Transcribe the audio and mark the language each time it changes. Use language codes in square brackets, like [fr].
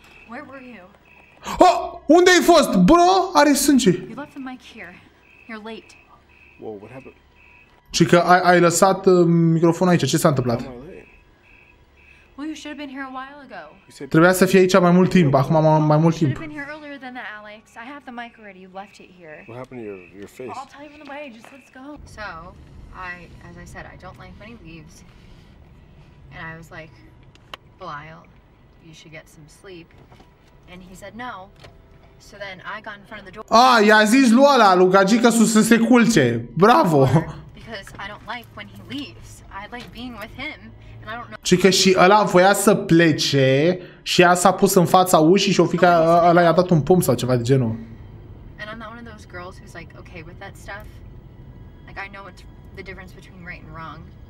[en] Where were you? [ro] Oh! Unde ai fost? Bro, are sânge. [en] You left the mic here. You're late. Whoa, what happened? [ro] Și că ai lăsat microfonul aici. Ce s-a întâmplat? [en] should have been here a while ago. [ro] Trebuia să fie aici mai mult timp. Acum am mai mult timp. [en] You should have been here earlier than that, Alex. I have the mic already. You left it here. What happened to your face? I'll tell you on the way. Just let's go. So, as I said, I don't like when he leaves. And I was like, Belial, you should get some sleep. And he said no. So then I got in front of the door. [ro] Ah, i-a zis lua la lui Gagica să se culce. Bravo. [en] Because I don't like when he leaves. I like being with him. [ro] Și că și ăla voia să plece și ea s-a pus în fața ușii și o fica ăla i-a dat un pumn sau ceva de genul. [en] And I'm not one of those girls who's like okay with that stuff. Like I know what the difference between right and wrong.